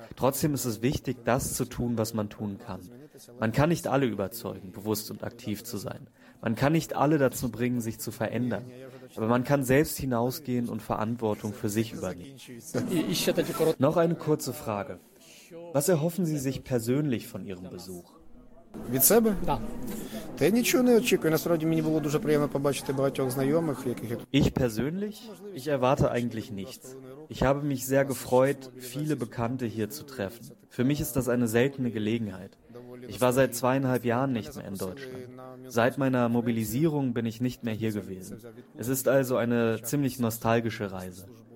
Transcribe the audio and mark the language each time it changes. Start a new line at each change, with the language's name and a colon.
German: Trotzdem ist es wichtig, das zu tun, was man tun kann. Man kann nicht alle überzeugen, bewusst und aktiv zu sein. Man kann nicht alle dazu bringen, sich zu verändern. Aber man kann selbst hinausgehen und Verantwortung für sich übernehmen. Noch eine kurze Frage. Was erhoffen Sie sich persönlich von Ihrem Besuch?
Ukrainian: Від себе? Так. Та я нічого не очікую. Насправді мені було дуже приємно побачити багатьох знайомих, яких
German: Ich persönlich, ich erwarte eigentlich nichts. Ich habe mich sehr gefreut, viele Bekannte hier zu treffen. Für mich ist das eine seltene Gelegenheit. Ich war seit 2,5 Jahren nicht mehr in Deutschland. Seit meiner Mobilisierung bin ich nicht mehr hier gewesen. Es ist also eine ziemlich nostalgische Reise.